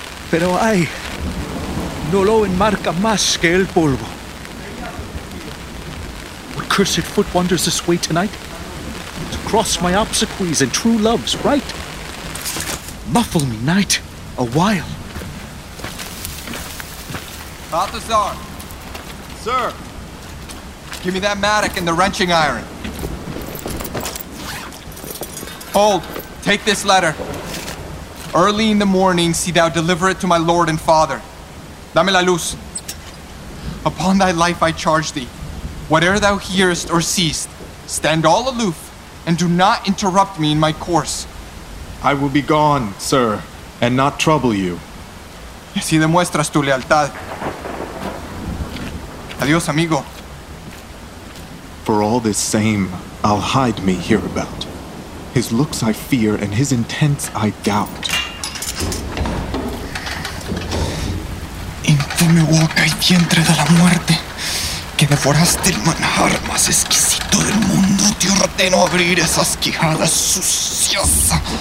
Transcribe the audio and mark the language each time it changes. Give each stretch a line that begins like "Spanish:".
Spanish: Pero ay, no lo enmarca más que el polvo.
English: What cursed foot wanders this way tonight? To cross my obsequies and true love's right. Muffle me, knight, a while. Balthazar! Sir! Give me that mattock and the wrenching iron. Hold, take this letter. Early in the morning, see thou deliver it to my lord and father.
Spanish: Dame la luz.
English: Upon thy life I charge thee. Whate'er thou hearest or seest, stand all aloof and do not interrupt me in my course. I will be gone, sir, and not trouble you.
Spanish: Y así demuestras tu lealtad. Adiós, amigo.
English: For all this same, I'll hide me hereabout. His looks I fear, and his intents I doubt.
Spanish: Infame boca y vientre de la muerte, que devoraste el manjar más exquisito del mundo, te ordeno abrir esas quijadas sucias.